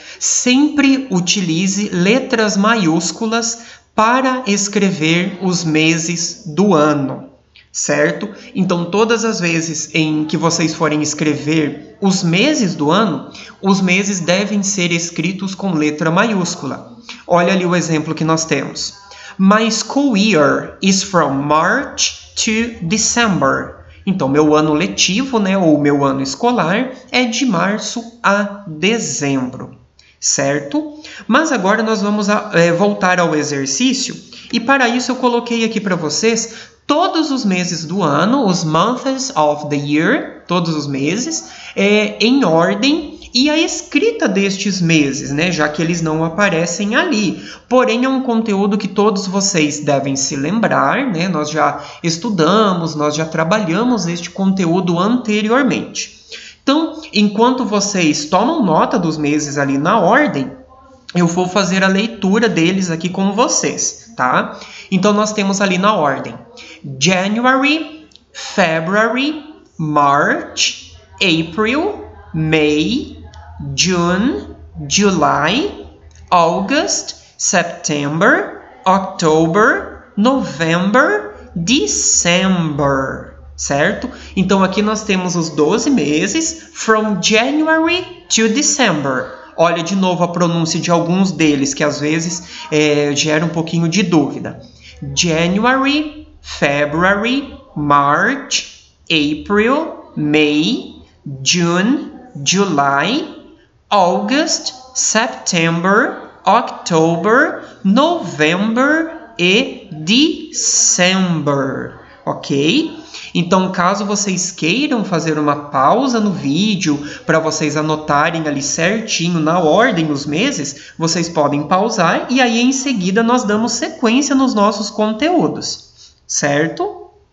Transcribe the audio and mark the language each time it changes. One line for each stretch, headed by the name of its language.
Portuguese: Sempre utilize letras maiúsculas para escrever os meses do ano, certo? Então, todas as vezes em que vocês forem escrever os meses do ano, os meses devem ser escritos com letra maiúscula. Olha ali o exemplo que nós temos.
English: My school year is from March to December.
Portuguese: Então, meu ano letivo, né, ou meu ano escolar, é de março a dezembro, certo? Mas agora nós vamos voltar ao exercício. E para isso, eu coloquei aqui para vocês todos os meses do ano, os
English: months of the year,
Portuguese: todos os meses, em ordem, e a escrita destes meses, né, já que eles não aparecem ali. Porém, é um conteúdo que todos vocês devem se lembrar, né? Nós já estudamos, nós já trabalhamos este conteúdo anteriormente. Então, enquanto vocês tomam nota dos meses ali na ordem, eu vou fazer a leitura deles aqui com vocês, tá? Então, nós temos ali na ordem:
English: January, February, March, April, May, June, July, August, September, October, November, December.
Portuguese: Certo? Então aqui nós temos os 12 meses,
English: from January to December.
Portuguese: Olha de novo a pronúncia de alguns deles, que às vezes gera um pouquinho de dúvida.
English: January, February, March, April, May, June, July, August, September, October, November e December. Ok?
Portuguese: Então, caso vocês queiram fazer uma pausa no vídeo para vocês anotarem ali certinho na ordem os meses, vocês podem pausar e aí em seguida nós damos sequência nos nossos conteúdos, certo?